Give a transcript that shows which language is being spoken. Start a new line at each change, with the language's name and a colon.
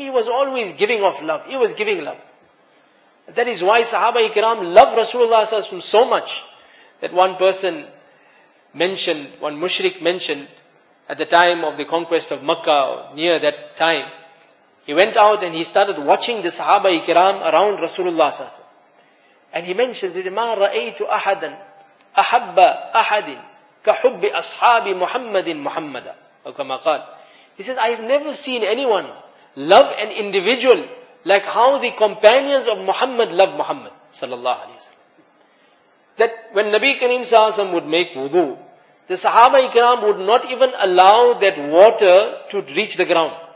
English: He was always giving of love. He was giving love. And that is why Sahaba Ikram loved Rasulullah SAW so much that one person mentioned, one mushrik mentioned at the time of the conquest of Makkah, or near that time, he went out and he started watching the Sahaba Ikram around Rasulullah SAW. And he mentions it,
Arabic: مَا رَأَيْتُ أَحَدًا أَحَبَّ أَحَدٍ كَحُبِّ أَصْحَابِ مُحَمَّدٍ مُحَمَّدًا أو كما قال.
English: He says, I have never seen anyone love an individual like how the companions of Muhammad love Muhammad sallallahu alayhi wa sallam. That when Nabi Kareem sallallahu alayhi wa sallam would make wudu, the Sahaba ikram would not even allow that water to reach the ground.